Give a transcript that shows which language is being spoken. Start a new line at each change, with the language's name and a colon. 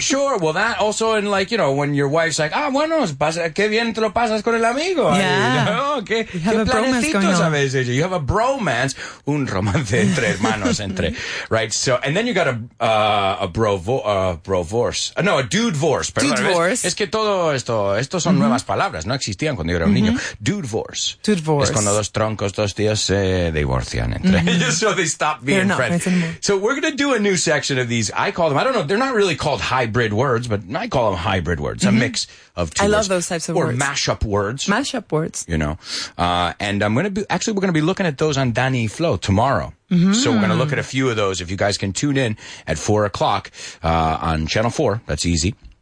English: Sure, well, that also in like, you know, when your wife's like, ah, bueno, qué bien te lo pasas con el amigo. Yeah.
Spanish: You have a bromance. Un romance entre hermanos, entre.
English: Right, so, and then you got a bro-vorce. No, a dude-vorce. Dude-vorce.
Spanish: Es que todo esto, estos son nuevas palabras. No existían cuando yo era un niño. Dude-vorce.
English: Dude-vorce.
Spanish: Es cuando dos troncos, dos tíos se divorcian entre ellos.
English: So they stop being friends. So we're going to do a new section of these. I call them, I don't know, they're not really called hybrid words, but I call them hybrid words, a mix of two I love those types of words. Or mashup words. Mashup words. You know. And I'm going to be, actually, we're going to be looking at those on Danny Flow tomorrow. Mm-hmm. So we're going to look at a few of those. If you guys can tune in at 4 o'clock on Channel 4, that's easy.